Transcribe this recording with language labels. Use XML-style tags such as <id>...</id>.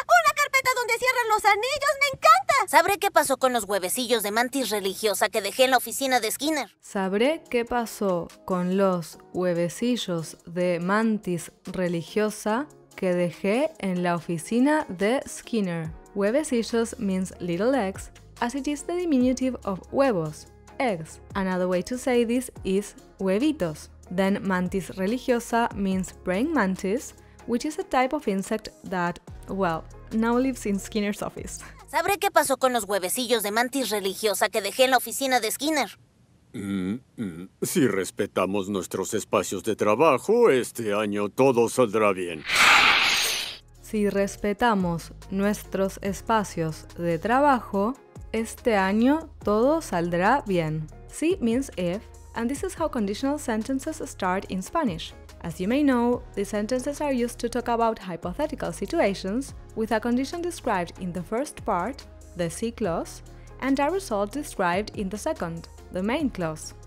<es>¡Una carpeta donde cierran los anillos! ¡Me encanta! Sabré qué pasó con los huevecillos de mantis religiosa que dejé en la oficina de Skinner. Sabré qué pasó con los huevecillos de mantis religiosa que dejé en la oficina de Skinner.</es> <en>Huevecillos means little eggs, as it is the diminutive of huevos, eggs. Another way to say this is huevitos. Then mantis religiosa means praying mantis, which is a type of insect that, well, now lives in Skinner's office.</en> <es>¿Sabré qué pasó con los huevecillos de mantis religiosa que dejé en la oficina de Skinner? Si respetamos nuestros espacios de trabajo, este año todo saldrá bien. Si respetamos nuestros espacios de trabajo, este año todo saldrá bien.</es> <en>Si means if, and this is how conditional sentences start in Spanish. As you may know, the sentences are used to talk about hypothetical situations with a condition described in the first part, the si clause, and a result described in the second, the main clause.</en>